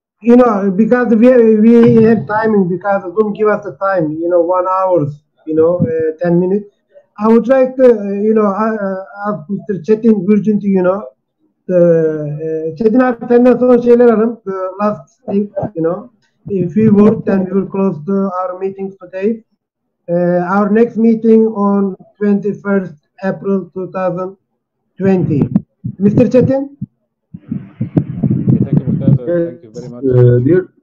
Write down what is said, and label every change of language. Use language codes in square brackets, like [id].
[en] You know, because we have timing, because Zoom give us the time, 1 hour, 10 minutes. I would like to, ask Mr. [tr] Cetin Gurcun to, Cetin abi senden son şeyler alalım. [en] The last thing, a few words, then we will close our meeting today. Our next meeting on 21st April 2020. Mr. Cetin? Thank you very much. Dear